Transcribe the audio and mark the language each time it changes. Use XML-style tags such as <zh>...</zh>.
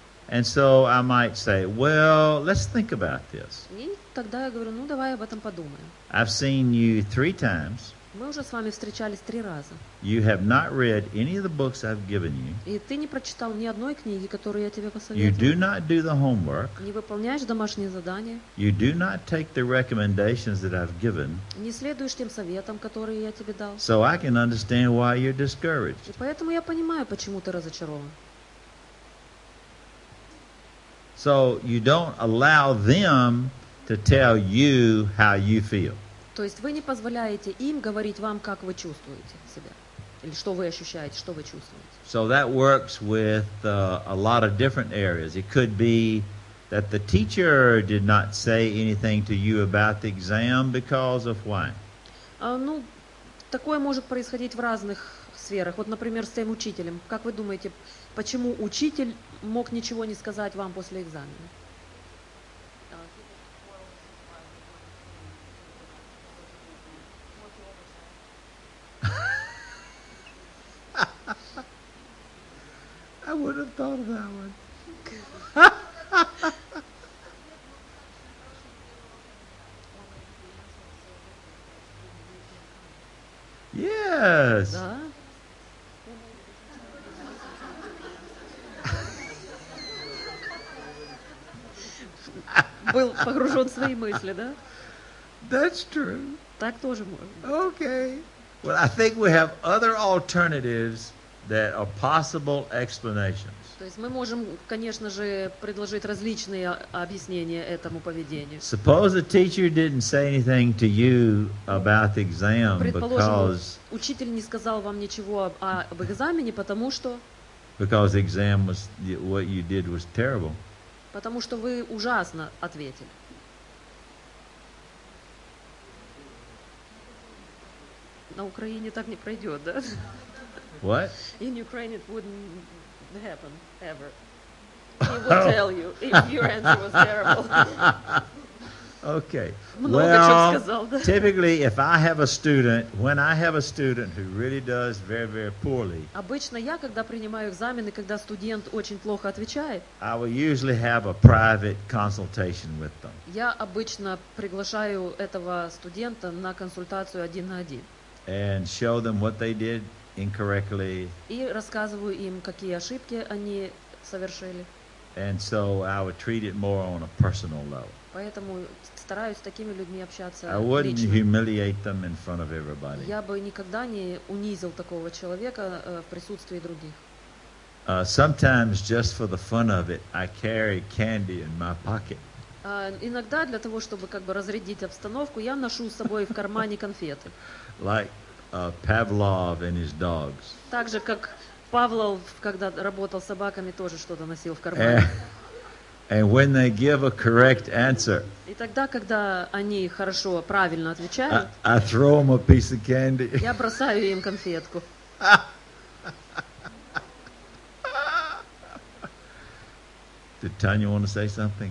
<en>And so I might say, well, let's think about this.</en> <ru>И тогда я говорю, ну давай об этом подумаем.</ru> <en>I've seen you three times.</en> <ru>Мы уже с вами встречались три раза.</ru> <en>You have not read any of the books I've given you.</en> <ru>И ты не прочитал ни одной книги, которую я тебе посоветовал.</ru> <en>You do not do the homework.</en> <ru>Не выполняешь домашние задания.</ru> <en>You do not take the recommendations that I've given.</en> <ru>Не следуешь тем советам, которые я тебе дал.</ru> <en>So I can understand why you're discouraged.</en> <ru>И поэтому я понимаю, почему ты разочарован.</ru> <en>So you don't allow them to tell you how you feel.</en> <ru>То есть вы не позволяете им говорить вам, как вы чувствуете себя, или что вы ощущаете, что вы чувствуете.</ru> <en>So that works with a lot of different areas. It could be that the teacher did not say anything to you about the exam because of why.</en> <ru>Ну, такое может происходить в разных сферах. Вот, например, с тем учителем. Как вы думаете, почему учитель мог ничего не сказать вам после экзамена?</ru> <en>I would have thought of that one. Yes.</en> <ru>Был погружен в свои мысли, да?</ru> <en>That's true.</en> <ru>Так тоже можно.</ru> <en>Okay. Well, I think we have other alternatives that are possible explanations.</en> <ru>То есть мы можем, конечно же, предложить различные объяснения этому поведению.</ru> <en>Suppose the teacher didn't say anything to you about the exam because</en> <ru>учитель не сказал вам ничего об экзамене, потому что</ru> <en>because the exam was what you did was terrible.</en> <ru>Потому что вы ужасно ответили. На Украине так не пройдет, да?</ru> <en>What? In Ukraine it wouldn't happen ever. He would tell you if your answer was terrible. Okay.</en> <ru>Много</ru> <en>well,</en> <ru>чего сказал, да?</ru> <en>Typically, if I have a student, when I have a student who really does very, very poorly,</en> <ru>обычно я, когда принимаю экзамены, когда студент очень плохо отвечает,</ru> <en>I will usually have a private consultation with them.</en> <ru>Я обычно приглашаю этого студента на консультацию один на один.</ru> <en>And show them what they did incorrectly.</en> <ru>И рассказываю им, какие ошибки они совершили.</ru> <en>And so I would treat it more on a personal level.</en> <ru>Поэтому стараюсь с такими людьми общаться лично.</ru> <en>I wouldn't humiliate them in front of everybody.</en> <ru>Я бы никогда не унизил такого человека в присутствии других.</ru> <en>Sometimes just for the fun of it, I carry candy in my pocket.</en> <ru>Иногда для того, чтобы как бы разрядить обстановку, я ношу с собой в кармане конфеты.</ru> <en>Like Pavlov and his dogs.</en> <ru>Так же, как Павлов, когда работал с собаками, тоже что-то носил в кармане.</ru> <en>And when they give a correct answer,</en> <ru>и тогда, когда они хорошо, правильно отвечают,</ru> <en>I throw them a piece of candy.</en> <ru>Я бросаю им конфетку.</ru> <en>Did Tanya want to say something?</en>